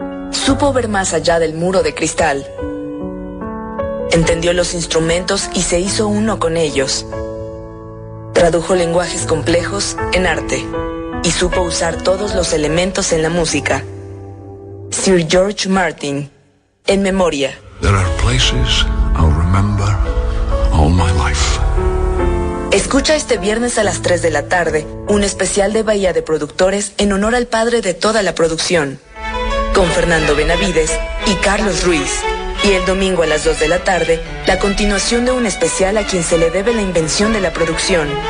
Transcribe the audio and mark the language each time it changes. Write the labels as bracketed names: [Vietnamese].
[Spanish] Supo ver más allá del muro de cristal. Entendió los instrumentos y se hizo uno con ellos. Tradujo lenguajes complejos en arte y supo usar todos los elementos en la música. Sir George Martin, en memoria. [English] There are places I'll remember all my life. [Spanish] Escucha este viernes a las 3 de la tarde un especial de Bahía de Productores en honor al padre de toda la producción, con Fernando Benavides y Carlos Ruiz. Y el domingo a las 2 de la tarde, la continuación de un especial a quien se le debe la invención de la producción.